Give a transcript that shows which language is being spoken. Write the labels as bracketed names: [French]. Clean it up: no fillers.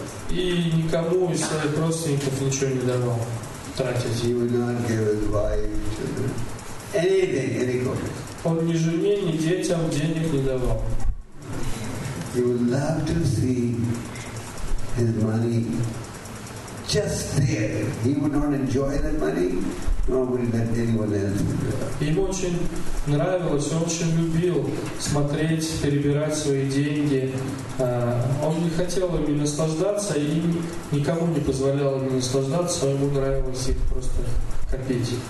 [Russian] И никому из своих родственников ничего не давал тратить. [English] He would not give his wife, children, anything, any copies. [Russian] Он ни жене, ни детям денег не давал. [English] He would love to see his money just there. He would not enjoy that money, nor would he let anyone else enjoy. [Russian] Ему очень нравилось, он очень любил смотреть, перебирать свои деньги. Он не хотел ими наслаждаться и никому не позволял ими наслаждаться, ему нравилось их просто копить.